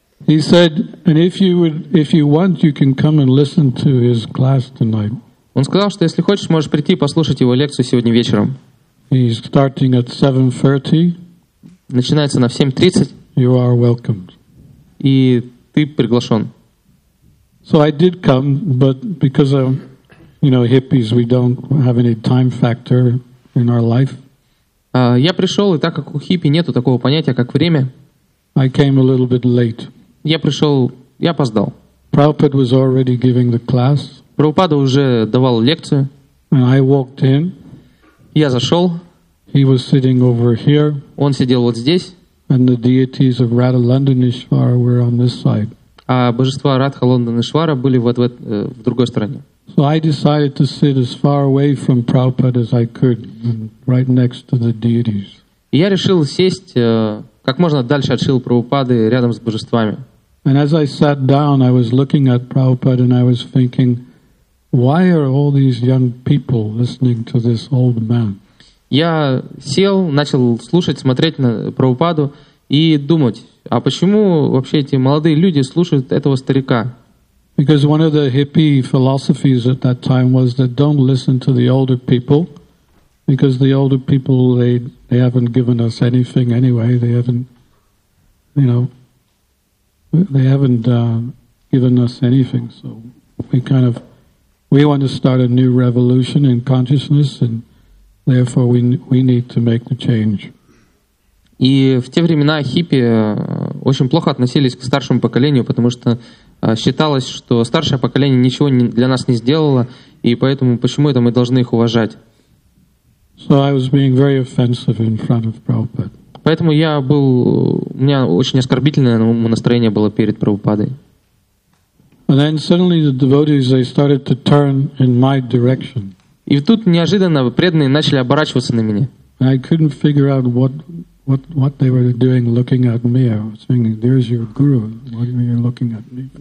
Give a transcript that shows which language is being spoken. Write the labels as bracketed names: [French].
[English] He said, and if you want, you can come and listen to his class tonight. [Russian] Он сказал, что если хочешь, можешь прийти и послушать его лекцию сегодня вечером. [English] He's starting at 7:30. [Russian] Начинается на 7:30. [English] You are welcome. [Russian] И ты приглашен. [English] So I did come, but because of, you know, hippies, we don't have any time factor in our life. [Russian] Я пришел, и так как у хиппи нету такого понятия, как время, [English] I came a little bit late. [Russian] Я опоздал. [English] Prabhupada was already giving the class. [Russian] Прабхупада уже давал лекцию. [English] And I walked in. [Russian] Я зашел. [English] He was sitting over here. [Russian] Он сидел вот здесь. [English] And the deities of Radha Landanishvara were on this side. [Russian] А божества Радха Ланданишвара были в другой стороне. [English] So I decided to sit as far away from Prabhupada as I could, right next to the deities. [Russian] Я решил сесть как можно дальше от Шрилы Прабхупады, рядом с божествами. [English] And as I sat down, I was looking at Prabhupada and I was thinking, why are all these young people listening to this old man? [Russian] Я сел, начал слушать, смотреть на Прабхупаду и думать, а почему вообще эти молодые люди слушают этого старика? [English] Because one of the hippie philosophies at that time was that don't listen to the older people, because the older people they haven't given us anything anyway. They haven't given us anything. So we want to start a new revolution in consciousness, and therefore we need to make the change. [Russian] И в те времена хиппи очень плохо относились к старшему поколению, потому что считалось, что старшее поколение ничего для нас не сделало, и поэтому почему это мы должны их уважать? [English] So I was being very offensive in front of Prabhupada. [Russian] Поэтому у меня очень оскорбительное настроение было перед Прабхупадой. [English] And then suddenly the devotees, they started to turn in my direction. [Russian] И тут неожиданно преданные начали оборачиваться на меня. [English] I couldn't figure out what they were doing looking at me. I was thinking, there's your guru, why are you looking at me?